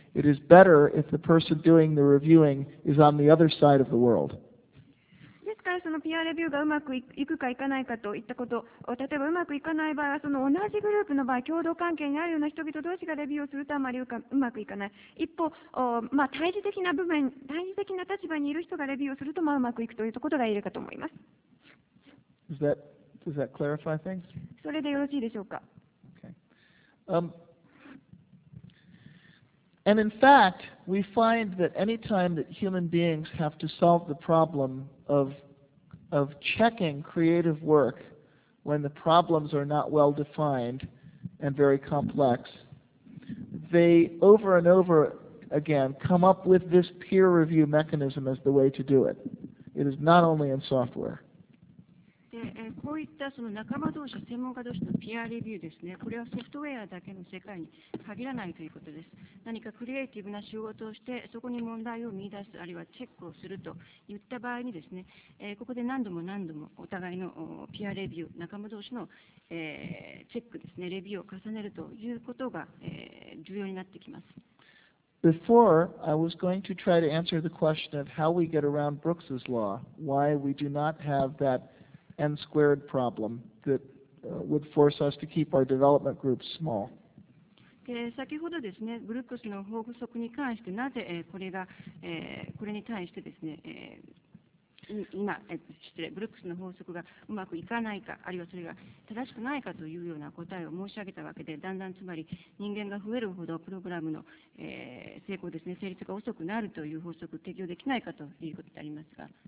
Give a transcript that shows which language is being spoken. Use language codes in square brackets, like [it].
[en] It is better if the person doing the reviewing is on the other side of the world. [ja] ですからその PR レビューがうまくいくかいかないかといったこと、例えばうまくいかない場合は、その同じグループの場合、共同関係にあるような人々同士がレビューをするとあまりうまくいかない。一方、まあ、対峙的な立場にいる人がレビューをするとまあうまくいくということが言えるかと思います。 [en] Does that clarify things? [ja] それでよろしいでしょうか。 [en] And in fact, we find that any time that human beings have to solve the problem of checking creative work when the problems are not well defined and very complex, they over and over again come up with this peer review mechanism as the way to do it. It is not only in software. [ja] でこういったその仲間同士、専門家同士の PR レビューですね、これはソフトウェアだけの世界に限らないということです。何かクリエイティブな仕事をして、そこに問題を見出す、あるいはチェックをするといった場合にですね、ここで何度も何度もお互いの PR レビュー、仲間同士のチェックですね、レビューを重ねるということが重要になってきます。 [en] Before, I was going to try to answer the question of how we get around Brooks's law, why we do not have that N squared problem that would force us to keep our development groups small. [ja] 先ほどですね、ブルックスの報告に関して、なぜこれが、これに対してですね、今失礼ブルックスの法則がうまくいかないか、あるいはそれが正しくないかというような答えを申し上げたわけで、だんだんつまり人間が増えるほどプログラムの、成功ですね、成立が遅くなるという法則を適用できないかということでありますが、